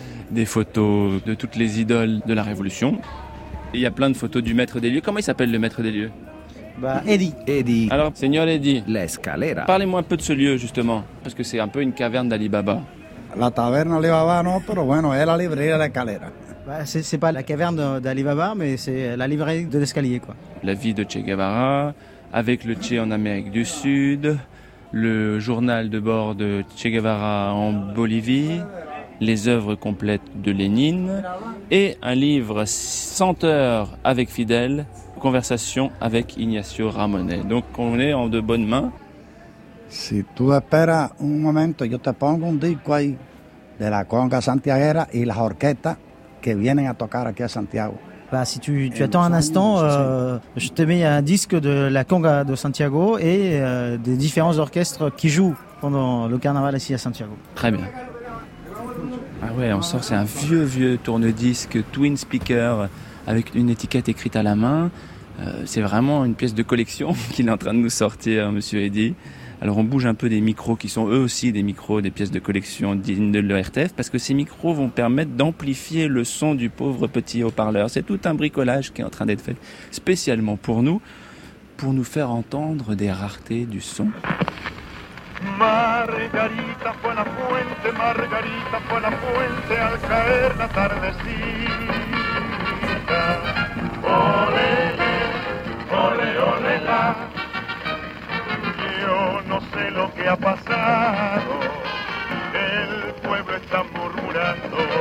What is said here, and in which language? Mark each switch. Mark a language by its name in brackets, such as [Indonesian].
[French] Des photos de toutes les idoles de la Révolution. Il y a plein de photos du maître des lieux. Comment il s'appelle le maître des lieux ? Bah, Eddie. Alors, Seigneur Eddie. [Spanish] L'escalera. [French] Parlez-moi un peu de ce lieu, justement, parce que c'est un peu une caverne d'Ali Baba. [Spanish] La taverna Ali Baba, non, pero bueno, es la librería de escalera. [French] Bah, c'est pas la caverne d'Ali Baba, mais c'est la librairie de l'escalier, quoi. La vie de Che Guevara, avec le Che en Amérique du Sud, le journal de bord de Che Guevara en Bolivie, les œuvres complètes de Lénine et un livre 100 heures avec Fidel, conversation avec Ignacio Ramonet. Donc on est en de bonnes mains. [Spanish] Si tu esperas un momento, yo te pongo un disco ahí de la conga santiaguera y las orquestas que vienen a tocar aquí a Santiago. [French] Bah, si tu attends un instant, je te mets un disque de la conga de Santiago et des différents orchestres qui jouent pendant le carnaval ici à Santiago. Très bien. Ah ouais, on sort, c'est un vieux tourne-disque twin speaker avec une étiquette écrite à la main. C'est vraiment une pièce de collection qu'il est en train de nous sortir, monsieur Eddy. Alors on bouge un peu des micros qui sont eux aussi des micros, des pièces de collection dignes de l'ORTF, parce que ces micros vont permettre d'amplifier le son du pauvre petit haut-parleur. C'est tout un bricolage qui est en train d'être fait spécialement pour nous faire entendre des raretés du son. [Spanish] Margarita fue la fuente, Margarita fue la fuente al caer la tardecita. Ole, ole, ole, la. Yo no sé lo que ha pasado, el pueblo está murmurando.